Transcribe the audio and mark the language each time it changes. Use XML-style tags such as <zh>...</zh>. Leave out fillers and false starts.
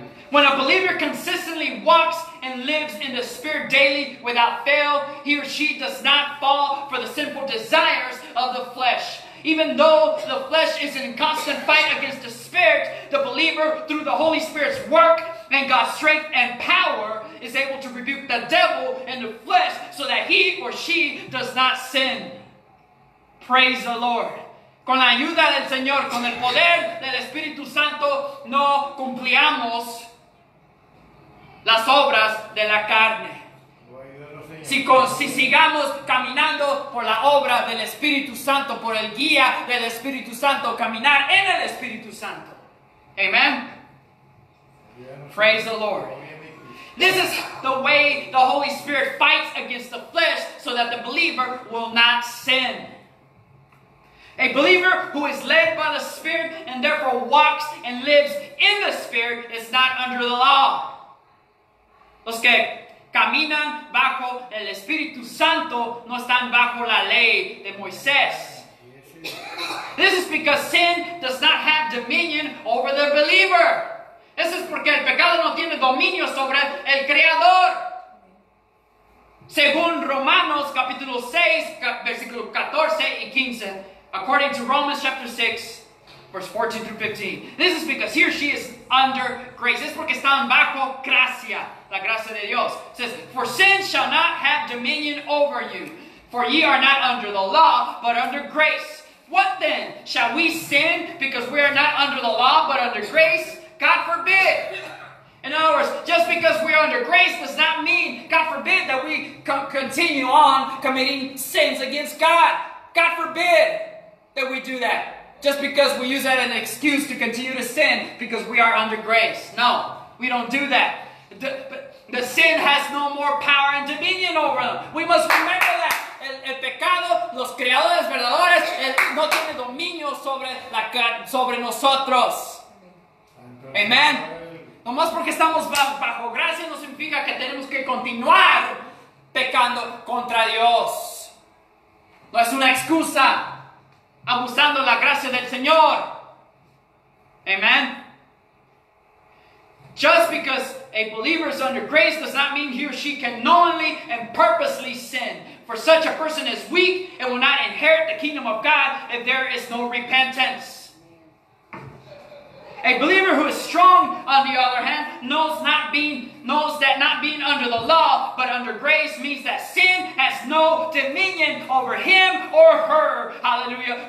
<en>When a believer consistently walks and lives in the Spirit daily without fail, he or she does not fall for the sinful desires of the flesh. Even though the flesh is in constant fight against the Spirit, the believer, through the Holy Spirit's work and God's strength and power, is able to rebuke the devil and the flesh so that he or she does not sin. Praise the Lord.</en> <es>Con la ayuda del Señor, con el poder del Espíritu Santo, no cumplíamos las obras de la carne. Si sigamos caminando por la obra del Espíritu Santo, por el guía del Espíritu Santo, caminar en el Espíritu Santo.</es> <en>Amen. Praise the Lord. This is the way the Holy Spirit fights against the flesh so that the believer will not sin. A believer who is led by the Spirit and therefore walks and lives in the Spirit is not under the law.</en> <es>Los que caminan bajo el Espíritu Santo no están bajo la ley de Moisés.</es> <en>This is because sin does not have dominion over the believer.</en> <es>Eso es porque el pecado no tiene dominio sobre el Creador. Según Romanos capítulo 6, versículo 14 y 15,</es> <en>according to Romans chapter 6, verse 14 through 15, this is because he or she is under grace.</en> <es>Es porque están bajo gracia, la gracia de Dios.</es> <en>It says, "For sin shall not have dominion over you, for ye are not under the law, but under grace. What then? Shall we sin because we are not under the law, but under grace? God forbid." In other words, just because we are under grace does not mean, God forbid, that we continue on committing sins against God. God forbid that we do that. Just because we use that as an excuse to continue to sin because we are under grace. No, we don't do that. The sin has no more power and dominion over them. We must remember that.</en> <es>El pecado, los creadores verdaderos, no tiene dominio sobre nosotros. Amen. Nomás porque estamos bajo gracia no significa que tenemos que continuar pecando contra Dios. No es una excusa abusando la gracia del Señor. Amen.</es> <en>Just because a believer is under grace does not mean he or she can knowingly and purposely sin. For such a person is weak and will not inherit the kingdom of God if there is no repentance. A believer who is strong, on the other hand, knows that not being under the law, but under grace, means that sin has no dominion over him or her. Hallelujah.</en>